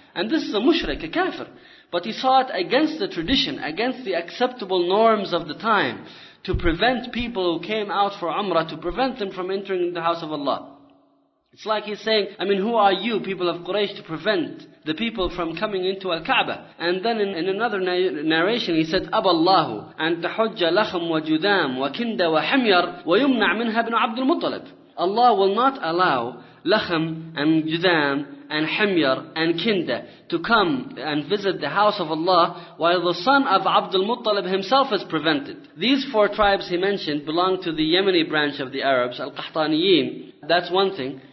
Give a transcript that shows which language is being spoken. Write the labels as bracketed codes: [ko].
[en] And this is a mushrik, a kafir. But he saw it against the tradition, against the acceptable norms of the time, to prevent people who came out for Umrah, to prevent them from entering the house of Allah. It's like he's saying, I mean, who are you, people of Quraysh, to prevent the people from coming into Al-Kaaba? And then in another narration, he said, [ar] أَبَاللَّهُ أَنْ تَحُجَّ لَخَمْ وَجُدَامْ وَكِنْدَ وَحَمْيَرْ وَيُمْنَعْ مِنْهَا بْنُ عَبْدُ الْمُطَّلِبِ. [en] Allah will not allow Lakhm and Judam and Himyar and Kinda to come and visit the house of Allah while the son of Abdul Muttalib himself is prevented. These four tribes he mentioned belong to the Yemeni branch of the Arabs, Al-Qahtaniyin. That's one thing.